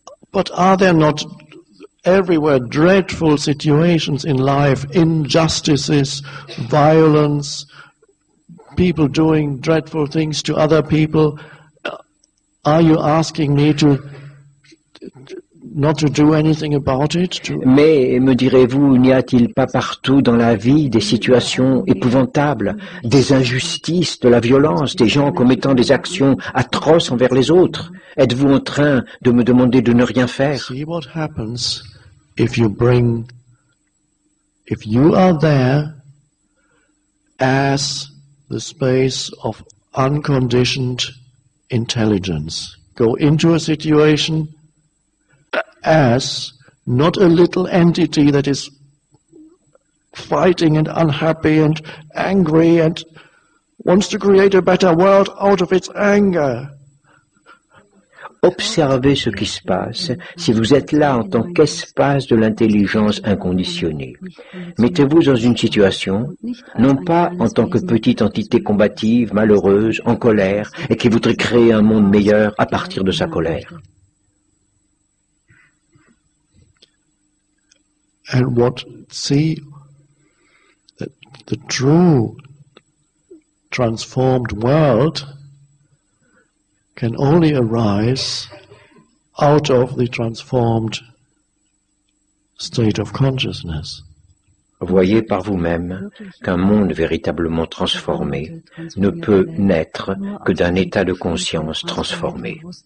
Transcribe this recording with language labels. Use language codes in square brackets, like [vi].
[en] But are there not everywhere dreadful situations in life, injustices, violence, people doing dreadful things to other people? Are you asking me to not to do anything about it, to... [fr] Mais, me direz-vous, n'y a-t-il pas partout dans la vie des situations épouvantables, des injustices, de la violence, des gens commettant des actions atroces envers les autres? Êtes-vous en train de me demander de ne rien faire? [en] See what happens if you bring... If you are there as the space of unconditioned intelligence, go into a situation as not a little entity that is fighting and unhappy and angry and wants to create a better world out of its anger. [fr] Observez ce qui se passe si vous êtes là en tant qu'espace de l'intelligence inconditionnée. Mettez-vous dans une situation, non pas en tant que petite entité combative, malheureuse, en colère, et qui voudrait créer un monde meilleur à partir de sa colère. [en] And what, see, the true transformed world can only arise out of the transformed state of consciousness. [fr] Voyez par vous-même qu'un monde véritablement transformé ne peut naître que d'un état de conscience transformé.